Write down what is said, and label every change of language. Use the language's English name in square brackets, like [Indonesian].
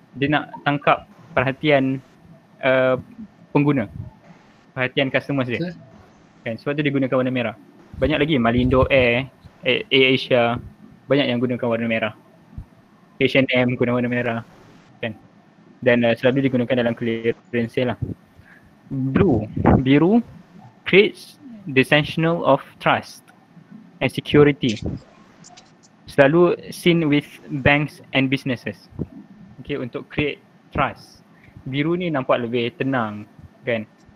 [Malay] Dia nak tangkap perhatian pengguna, perhatian customer dia, kan? Sebab tu dia gunakan warna merah. Banyak lagi, Malindo Air, AirAsia, banyak yang gunakan warna merah. H&M guna warna merah, kan? Dan selalu digunakan dalam clearance sale lah. [English] Biru creates the sensation of trust and security, [Malay] selalu [English] seen with banks and businesses. Okay, [Malay] untuk [English] create trust. [Malay] Biru ni nampak lebih tenang, kan?